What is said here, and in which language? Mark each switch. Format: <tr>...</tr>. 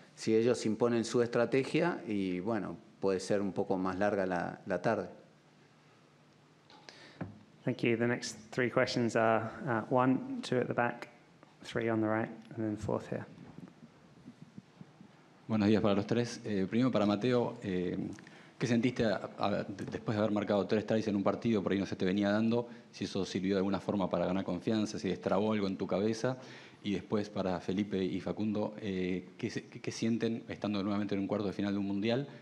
<es>Si ellos imponen su estrategia, y bueno, puede ser un poco más larga la tarde.</es> <en>Thank you. The next three questions are one, two at the back, three on the right, and then fourth here.</en> <es>Buenos días para los tres. Primero para Mateo, ¿qué sentiste después de haber marcado tres tries en un partido? Por ahí no se te venía dando. Si eso sirvió de alguna forma para ganar confianza, si destrabó algo en tu cabeza. Y después para Felipe y Facundo, ¿qué sienten estando nuevamente en un cuarto de final de un mundial?</es>